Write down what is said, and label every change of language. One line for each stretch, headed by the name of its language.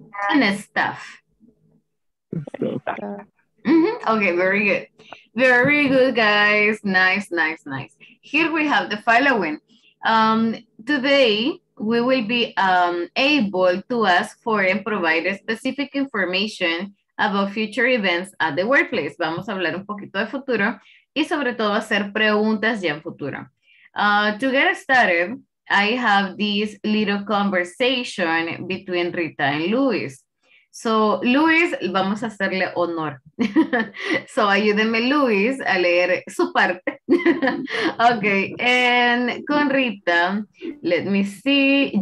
English: And staff. Mm-hmm. Okay, very good. Very good, guys. Nice, nice, nice. Here we have the following. Today, we will be able to ask for and provide a specific information about future events at the workplace.
Spanish: Vamos a hablar un poquito de futuro y sobre todo hacer preguntas ya en futuro.
English: To get started, I have this little conversation between Rita and Luis. So,
Spanish: Luis, vamos a hacerle honor. So, ayúdeme, Luis, a leer su parte.
English: Okay, and
Spanish: con
English: Rita, let me see.